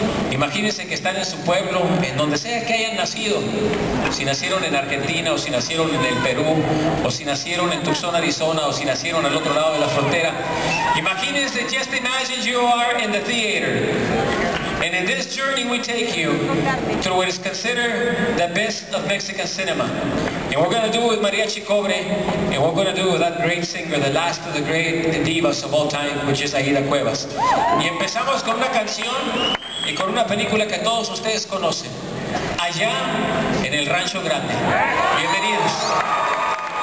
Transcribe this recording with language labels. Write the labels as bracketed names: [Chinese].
[Spanish] Imagínense que están en su pueblo, en donde sea que hayan nacido. Si nacieron en Argentina, o si nacieron en el Perú, o si nacieron en Tucson, Arizona, o si nacieron al otro lado de la frontera. Imagínense, [English] just imagine you are in the theater. And in this journey we take you through what is considered the best of Mexican cinema. And we're going to do it with Mariachi Cobre, and we're going to do it with that great singer, the last of the great divas of all time, which is Aida Cuevas. [Spanish] Y empezamos con una canción y con una película que todos ustedes conocen. Allá en el Rancho Grande. Bienvenidos.